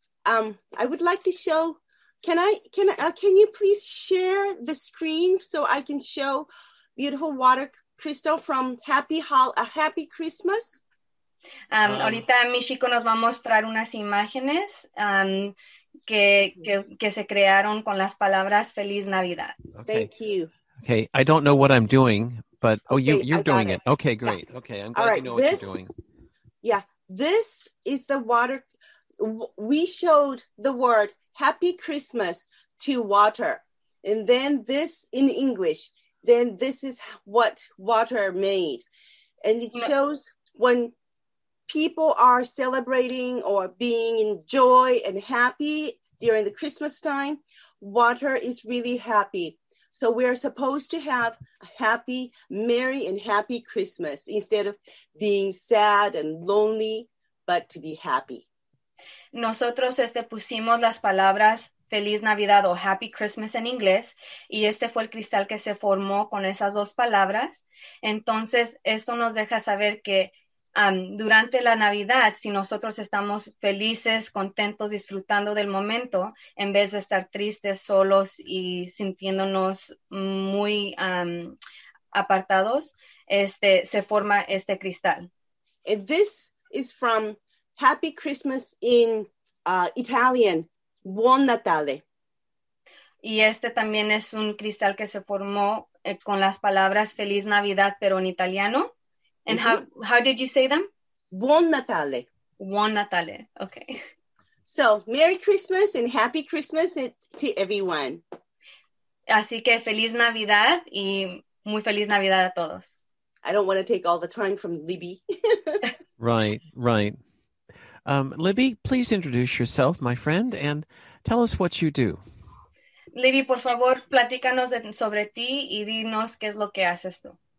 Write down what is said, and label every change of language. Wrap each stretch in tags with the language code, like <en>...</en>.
<en>I would like to show, can you please share the screen so I can show beautiful water crystal from a Happy Christmas?</en> <es>Ahorita Michiko nos va a mostrar unas imágenes que se crearon con las palabras Feliz Navidad.</es> <en>Okay. Thank you. Okay, I don't know what I'm doing, but you're doing it. Okay, great. Yeah. Okay, I'm glad you know what you're doing. Yeah, this is the water. We showed the word Happy Christmas to water. And then this in English, then this is what water made. And it shows when people are celebrating or being in joy and happy during the Christmas time, water is really happy. So we are supposed to have a happy, merry and happy Christmas instead of being sad and lonely, but to be happy.</en> <es>Nosotros pusimos las palabras Feliz Navidad o</es> <en>Happy Christmas</en> <es>en inglés y este fue el cristal que se formó con esas dos palabras. Entonces, esto nos deja saber que durante la Navidad, si nosotros estamos felices, contentos, disfrutando del momento, en vez de estar tristes, solos y sintiéndonos muy apartados, se forma este cristal.</es> <en>And this is from Happy Christmas in Italian,</en> <it>Buon Natale.</it> <es>Y este también es un cristal que se formó con las palabras Feliz Navidad, pero en italiano.</es> <en>And how did you say them?</en> <it>Buon Natale. Buon Natale, okay.</it> <en>So, Merry Christmas and Happy Christmas to everyone.</en> <es>Así que Feliz Navidad y muy Feliz Navidad a todos.</es> <en>I don't want to take all the time from Libby. Right. Libby, please introduce yourself, my friend, and tell us what you do.</en> <es>Libby, por favor, platícanos sobre ti y dinos qué es lo que haces tú.</es>